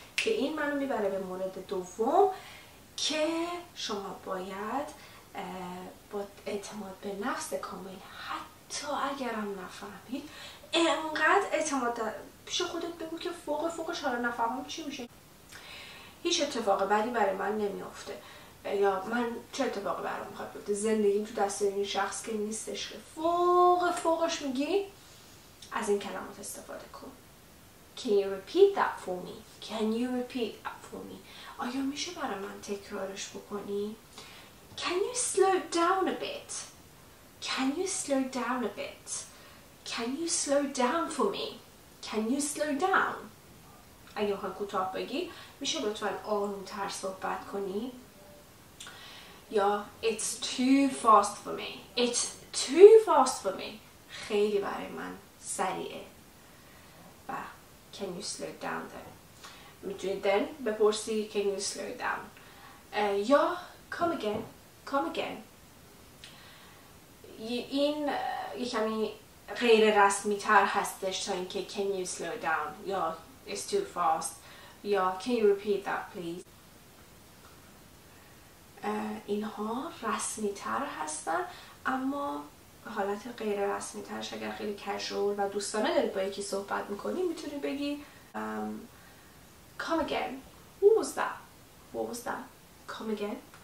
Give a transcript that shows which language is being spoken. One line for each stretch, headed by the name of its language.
Persian: که این منو میبره به مورد دوم، که شما باید با اعتماد به نفس کامل، حتی اگرم نفهمید انقدر اعتماد پیش خودت بگو که فوقش حالا نفهمم چی میشه، هیچ اتفاق بدی برای من نمیافته، یا من چه اتفاقی برام میخواد بیفته، زندگیم تو دست این شخص که نیستش. که فوقش میگی از این کلمات استفاده کن.
English: Can you repeat that for me? Can you repeat that for me?
Persian: آیا میشه برای من تکرارش بکنی؟
English: Can you slow down a bit? Can you slow down a bit? Can you slow down for me? Can you slow down?
Persian: اگه بخوای کوتاه بگی، میشه لطفا آروم‌تر صحبت کنی؟ یا
English: It's too fast for me. It's too fast for me.
Persian: خیلی برای من سریعه. و
English: can you slow down then؟
Persian: میتونید
English: then
Persian: بپرسی
English: can you slow down؟
Persian: یا
English: come again.
Persian: این یکمی غیر رسمی تر هستش تا اینکه
English: can you slow down
Persian: یا
English: it's too fast
Persian: یا
English: can you repeat that please.
Persian: اینها رسمی تر هستن، اما حالت غیر رسمی ترش اگر خیلی کژول و دوستانه دارید با یکی صحبت میکنی، میتونی بگی
English: come again، what was that, come again.